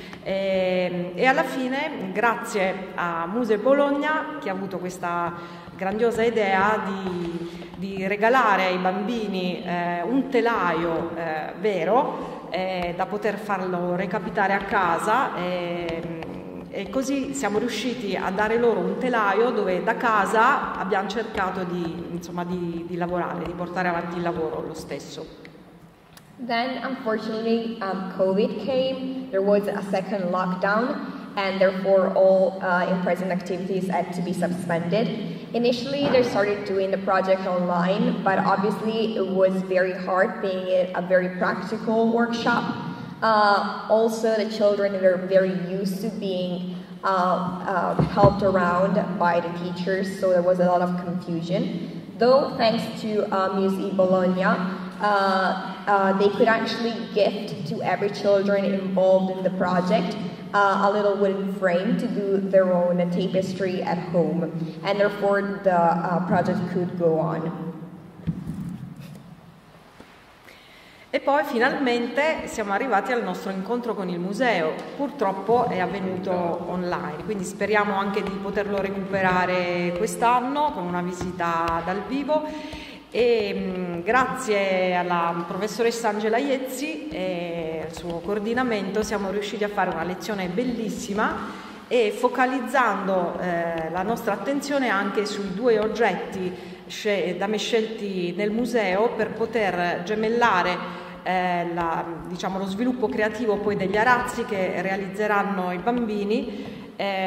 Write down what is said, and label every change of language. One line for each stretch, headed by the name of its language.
Italian: E alla fine, grazie a Muse Bologna, che ha avuto questa grandiosa idea di regalare ai bambini un telaio vero da poter farlo recapitare a casa e così siamo riusciti a dare loro un telaio dove da casa abbiamo cercato di, insomma, di lavorare, di portare avanti il lavoro lo stesso.
English: Then unfortunately COVID came, there was a second lockdown and therefore all in-present activities had to be suspended. Initially, they started doing the project online, but obviously it was very hard, being it a very practical workshop. Also, the children were very used to being helped around by the teachers, so there was a lot of confusion. Though, thanks to Muse Bologna, they could actually gift to every children involved in the project a little wooden frame to do their own tapestry at home, and therefore the project could go on.
Italian: E poi finalmente siamo arrivati al nostro incontro con il museo. Purtroppo è avvenuto online, quindi speriamo anche di poterlo recuperare quest'anno con una visita dal vivo. E grazie alla professoressa Angela Iezzi e al suo coordinamento siamo riusciti a fare una lezione bellissima e focalizzando la nostra attenzione anche sui due oggetti da me scelti nel museo per poter gemellare diciamo, lo sviluppo creativo poi degli arazzi che realizzeranno i bambini